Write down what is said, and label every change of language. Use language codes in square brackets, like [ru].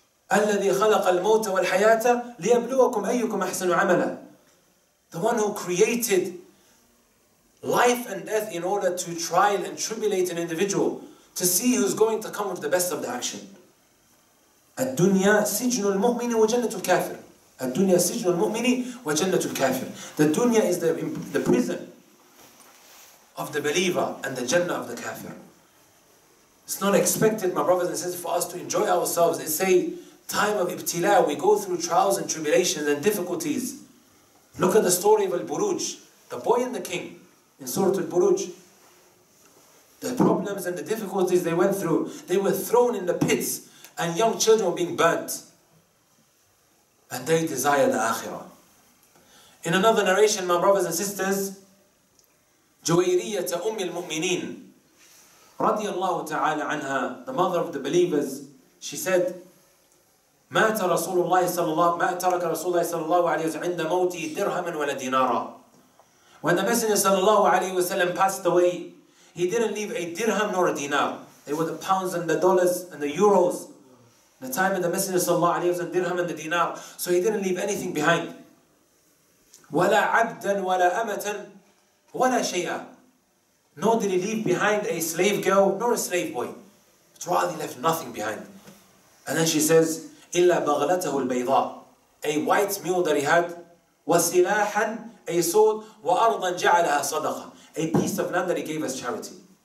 [ar] الَّذِي خَلَقَ الْمَوْتَ وَالْحَيَاةَ لِيَبْلُوَكُمْ أَيُّكُمْ أَحْسَنُ عَمَلًا. [en] The one who created life and death in order to trial and tribulate an individual to see who's going to come with the best of the action. [ar] الدنيا سجن المؤمن وجنة الكافر. الدنيا سجن المؤمن وجنة الكافر. [en] The dunya is the prison of the believer and the jannah of the kafir. It's not expected, my brothers and sisters, for us to enjoy ourselves. It's a time of ibtila. We go through trials and tribulations and difficulties. Look at the story of Al-Buruj, the boy and the king, in Surah Al-Buruj. The problems and the difficulties they went through, they were thrown in the pits and young children were being burnt. And they desire the Akhirah. In another narration, my brothers and sisters, Juwayriyah Umm al-Mu'mineen رضي الله تعالى عنها, the mother of the believers, she said, [ar] مات رسول الله صلى الله, ما ترك رسول الله صلى الله عليه وسلم عند موتي درهما ولا دينارا. [en] When the Messenger صلى الله عليه وسلم passed away, he didn't leave a dirham nor a dinar. They were the pounds and the dollars and the euros. The time of the Messenger صلى الله عليه وسلم, dirham and the dinar. So he didn't leave anything behind. [ar] ولا عبدا ولا أمة ولا شيئا. [en] Nor did he leave behind a slave girl nor a slave boy. But rather he left nothing behind. And then she says, [ar] إلا بغلته البيضاء, [en] a white mule that he had, [ar] وسلاحا, [en] a sword, [ar] وأرضا جعلها صدقة, [en] a piece of land that he gave as charity.